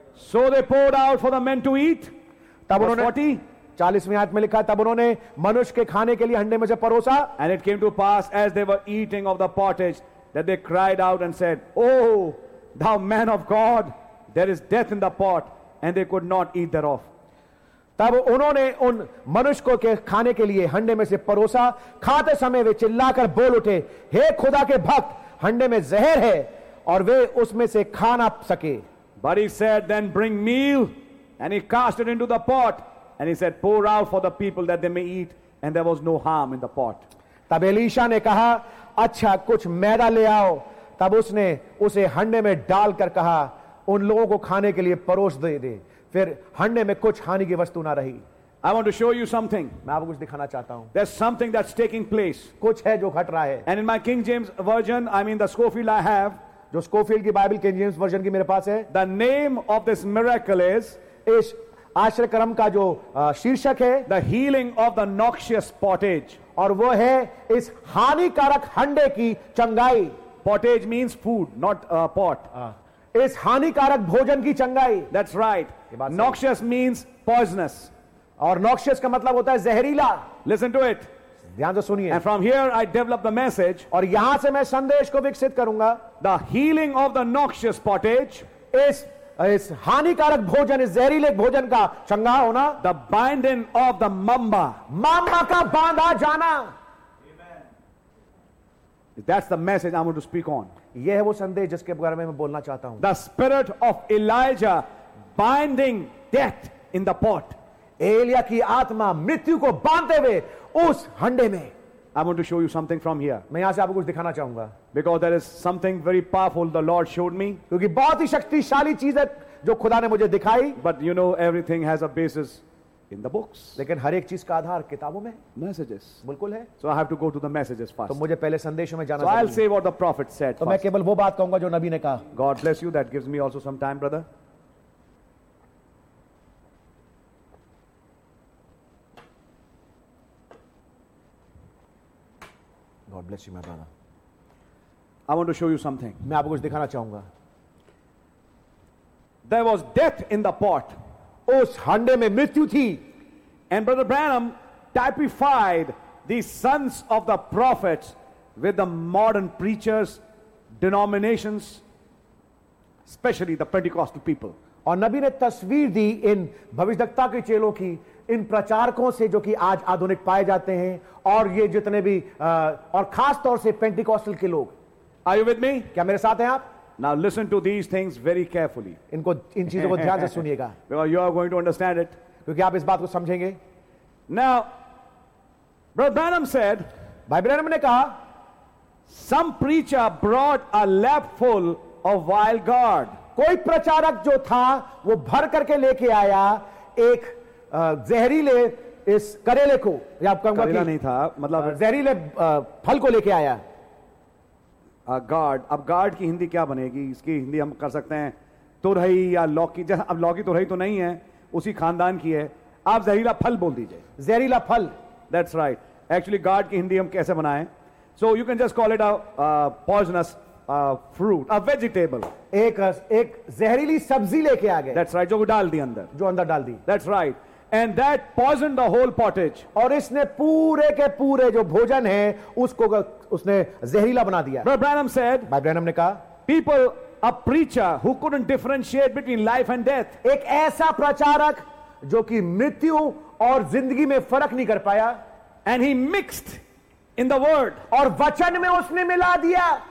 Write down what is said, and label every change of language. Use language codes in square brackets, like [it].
[en] So they poured out for the men to eat. [hi] तब उन्होंने 40वीं आयत में लिखा है, तब उन्होंने मनुष्य के खाने के लिए हंडे में से परोसा. [en] And it came to pass as they were eating of the pottage that they cried out and said, Oh, thou man of God, there is death in the pot, and they could not eat thereof. [hi] तब उन्होंने उन मनुष्य को के खाने के लिए हंडे में से परोसा. खाते समय वे चिल्लाकर बोल उठे, हे खुदा के भक्त, हंडे में जहर है, और वे उसमें से खा ना सके. [en] But he said, then bring meal, and he cast it into the pot, and he said, pour out for the people that they may eat, and there was no harm in the pot. [hi] तब Elisha ने कहा, अच्छा कुछ मैदा ले आओ. तब उसने उसे हंडे में डालकर कहा, उन लोगों को खाने के लिए परोस दे दे. फिर हंडे में कुछ हानि की वस्तु ना रही. [en] I want to show you something. [hi] मैं आपको कुछ दिखाना चाहता हूं. [en] There's something that's taking place. [hi] कुछ है जो घट रहा है. [en] And in my King James version, I mean the Scofield I have. [hi] जो Scofield की बाइबल King James version की मेरे पास है. [en] The name of this miracle is. [hi] इस आश्चर्यकर्म का जो शीर्षक है. [en] The healing of the noxious pottage. [hi] और वो है इस हानिकारक हंडे की चंगाई. [en] Pottage means food, not a pot. [hi] इस हानिकारक भोजन की चंगाई. [en] That's right. Noxious means poisonous. [hi] और noxious का मतलब होता है जहरीला. [en] Listen to it. [hi] ध्यान से सुनिए. [en] And from here I develop the message. [hi] और यहां से मैं संदेश को विकसित करूंगा. [en] The healing of the noxious pottage. [hi] इस इस हानिकारक भोजन, इस जहरीले भोजन का चंगा होना, [en] the binding of the mamba, [hi] Mamba का बांधा जाना, [en] That's the message I want to speak on. [hi] यह है वो संदेश जिसके बारे में मैं बोलना चाहता हूं. [en] the spirit of Elijah binding death in the pot, [hi] Elia की आत्मा मृत्यु को बांधते हुए उस हंडे में. [en] I want to show you something from here. [hi] मैं यहाँ से आपको कुछ दिखाना चाहूँगा. [en] Because there is something very powerful the Lord showed me. [hi] क्योंकि बहुत ही शक्तिशाली चीज़ है जो खुदा ने मुझे दिखाई. [en] But you know everything has a basis in the books. [hi] लेकिन हर एक चीज़ का आधार किताबों में. [en] Messages. [hi] बिल्कुल है. [en] So I have to go to the messages first. [hi] तो मुझे पहले संदेशों में जाना. [en] So I'll say what the prophet said. [hi] तो मैं केवल वो बात कहूँगा जो नबी ने कहा. [en] God bless you. That gives me also some time, brother. God bless you, my brother. I want to show you something. [hi] मैं आपको कुछ दिखाना चाहूंगा. [en] There was death in the pot. [hi] उस हंडे में मृत्यु थी. [en] And Brother Branham typified the sons of the prophets with the modern preachers, denominations, especially the Pentecostal people. [hi] और नबी ने तस्वीर दी इन भविष्यद्वक्ता के चेलों की, इन प्रचारकों से जो कि आज आधुनिक पाए जाते हैं, और ये जितने भी और खास तौर से पेंटिकॉस्टल के लोग. [en] Are you with me? [hi] क्या मेरे साथ हैं आप? [en] Now listen to these things very carefully. [hi] इनको इन चीजों को ध्यान से सुनिएगा. [en] Because you are going to understand it. [hi] क्योंकि आप इस बात को समझेंगे. [en] Now, Brother Branham said. [hi] भाई ब्रैनम ने कहा. [en] Some preacher brought a lap full of wild gourd. [hi] कोई प्रचारक जो था वो भर करके लेके आया एक जहरीले इस करेले को, या आप कहूंगा करेला नहीं था, मतलब जहरीले फल को लेके आया गार्ड. अब गार्ड की हिंदी क्या बनेगी? इसकी हिंदी हम कर सकते हैं तुरही या लौकी. जैसा अब लौकी तुरही तो नहीं है, उसी खानदान की है. आप जहरीला फल बोल दीजिए. जहरीला फल, [en] That's right. [hi] एक्चुअली गार्ड की हिंदी हम कैसे बनाए? [en] So you can just call it a poisonous fruit, a vegetable. [hi] एक जहरीली सब्जी लेके आ गए. [en] That's right. [hi] जो डाल दी अंदर, जो अंदर डाल दी. [en] That's right. And that poisoned the whole pottage. [hi] और इसने पूरे के पूरे जो भोजन है उसको उसने जहरीला बना दिया. [en] Brother Branham said. [hi] भाई ब्रैनम ने कहा. [en] People, a preacher who couldn't differentiate between life and death. [hi] एक ऐसा प्रचारक जो कि मृत्यु और जिंदगी में फर्क नहीं कर पाया. [en] And he mixed in the word. [hi] और वचन में उसने मिला दिया.